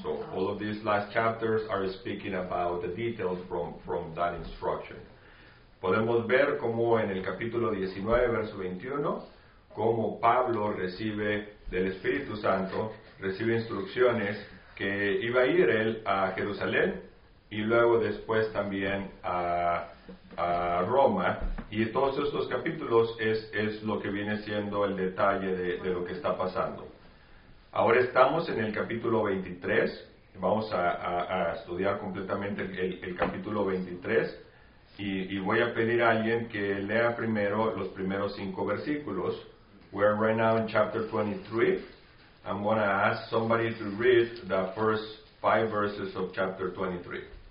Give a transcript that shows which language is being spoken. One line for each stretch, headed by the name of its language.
English: So all of these last chapters are speaking about the details from that instruction.
Spanish: Podemos ver cómo en el capítulo 19, verso 21, cómo Pablo recibe del Espíritu Santo, recibe instrucciones que iba a ir él a Jerusalén y luego después también a Roma. Y todos estos capítulos es lo que viene siendo el detalle de lo que está pasando. Ahora estamos en el capítulo 23. Vamos a estudiar completamente el capítulo 23. Y voy a pedir a alguien que lea primero los primeros 5 versículos.
English: We're right now in chapter 23. I'm going to ask somebody to read the first 5 verses of chapter 23.